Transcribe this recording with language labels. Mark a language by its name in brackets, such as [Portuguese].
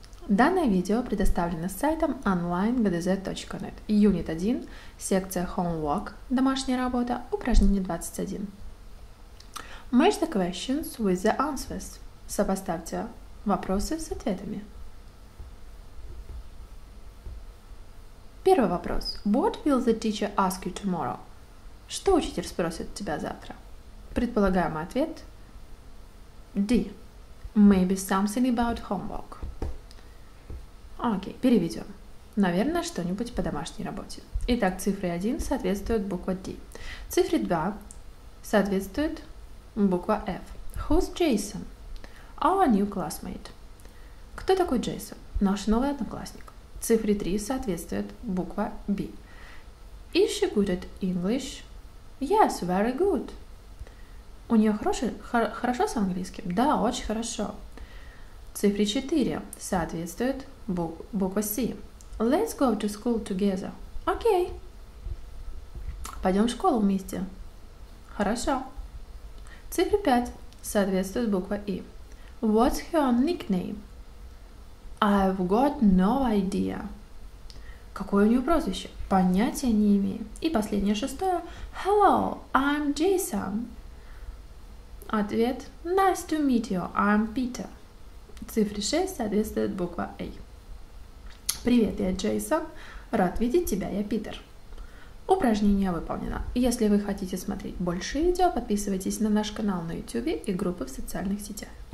[Russian] Данное видео предоставлено сайтом online.gdz.net. Юнит 1, секция Homework, домашняя работа, упражнение 21. [English] Match the questions with the answers. [Russian] Сопоставьте вопросы с ответами. Первый вопрос. [English] What will the teacher ask you tomorrow? [Russian] Что учитель спросит тебя завтра? Предполагаемый ответ. D. [English] Maybe something about homework. [Russian] Окей, переведем. Наверное, что-нибудь по домашней работе. Итак, цифры 1 соответствуют букве D. Цифры 2 соответствуют буква F. [English] Who's Jason? Our new classmate. [Russian] Кто такой Джейсон? Наш новый одноклассник. Цифры 3 соответствуют буква B. [English] Is she good at English? Yes, very good. [Russian] У нее хорошо с английским? Да, очень хорошо. Цифры 4 соответствуют буква C. [English] Let's go to school together. [Russian] Окей. Пойдем в школу вместе. Хорошо. Цифры 5 соответствуют буква E. [English] What's her nickname? I've got no idea. [Russian] Какое у нее прозвище? Понятия не имею. И последнее, 6. [English] Hello, I'm Jason. [Russian] Ответ. [English] Nice to meet you, I'm Peter. [Russian] Цифры 6 соответствуют буква A. Привет, я Джейсон. Рад видеть тебя, я Питер. Упражнение выполнено. Если вы хотите смотреть больше видео, подписывайтесь на наш канал на YouTube и группы в социальных сетях.